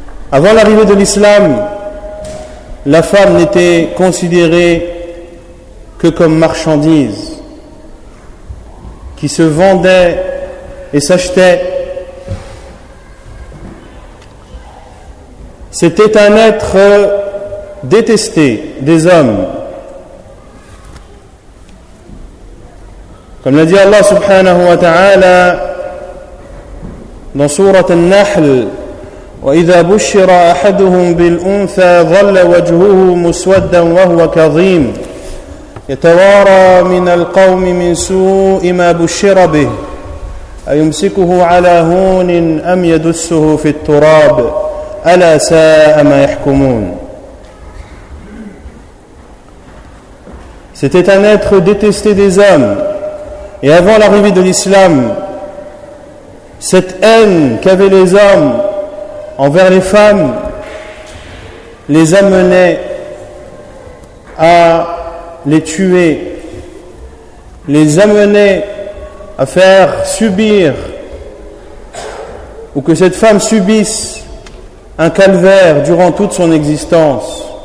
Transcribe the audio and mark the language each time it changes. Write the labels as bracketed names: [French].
[French] Avant l'arrivée de l'islam, la femme n'était considérée que comme marchandise qui se vendait et s'achetait. C'était un être détesté des hommes. Comme l'a dit Allah subhanahu wa ta'ala dans sourate An-Nahl, [Arabic] وَإِذَا بُشِّرَ أَحَدُهُمْ بِالْأُنْثَى ظَلَّ وَجْهُهُ مُسْوَدًّا وَهُوَ كَظِيمٌ يَتَوَارَى مِنَ الْقَوْمِ مِنْ سُوءِ مَا بُشِّرَ بِهِ أَيُمْسِكُهُ عَلَى هُونٍ أَمْ يَدُسُّهُ فِي التُّرَابِ أَلَا سَاءَ مَا يَحْكُمُونَ. [French] C'était un être détesté des hommes, et avant l'arrivée de l'islam, cette haine qu'avaient les hommes envers les femmes les amenait à les tuer, les amenait à faire subir ou que cette femme subisse un calvaire durant toute son existence.